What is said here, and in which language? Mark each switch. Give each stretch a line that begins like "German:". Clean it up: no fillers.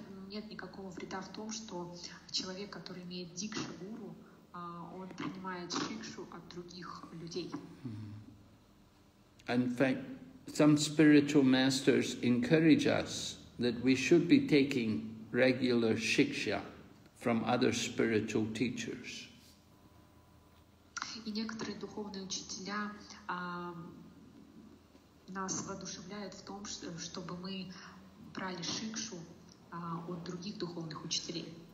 Russian: Нет никакого вреда в том, что человек, который имеет Диксха Гуру, он принимает Шикшу от других людей.
English: In fact, some spiritual masters encourage us that we should be taking regular Shiksha from other spiritual teachers.
Russian: И некоторые духовные учителя нас воодушевляют в том, чтобы мы брали шикшу от других духовных учителей.